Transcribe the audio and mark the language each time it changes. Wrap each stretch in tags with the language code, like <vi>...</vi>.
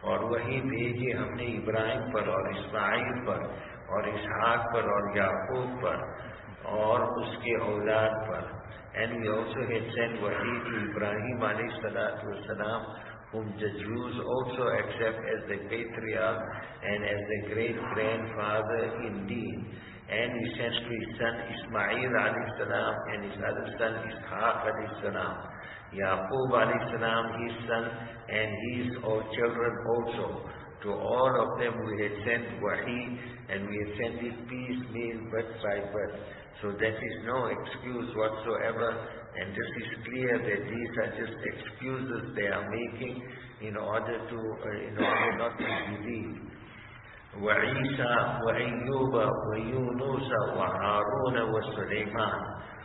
<ur>اور وہی بھیجی ہم نے ابراہیم پر اور اسماعیل پر اور اسحاق پر اور یعقوب پر اور اس کے اولاد پر.</ur> <en>And we also had sent وحی to Ibrahim علیہ السلام, whom the Jews also accept as the patriarch and as the great grandfather indeed. And he sent to his son Ismail alayhi salam and his other son Ishaq alayhi salam, Yaqub alayhi salam, his son, and his all children also. To all of them we had sent wahi and we had sent it piecemeal, birth by birth. So that is no excuse whatsoever, and this is clear that these are just excuses they are making in order to in order not to believe.</en> <ar>وعيسى وأيوب ويونس وهارون وسليمان.</ar>